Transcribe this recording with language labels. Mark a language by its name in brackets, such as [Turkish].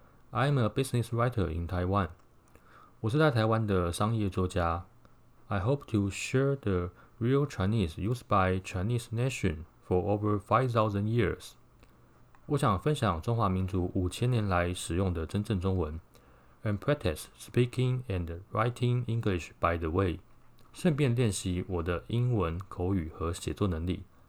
[English] I'm a business writer in Taiwan. [Chinese] 我是在台湾的商业作家。 [English] I hope to share the real Chinese used by Chinese nation for over 5,000 years. [Chinese] 我想分享中华民族5000年来使用的真正中文。 [English] And practice speaking and writing English by the way. [Chinese] 顺便练习我的英文口语和写作能力。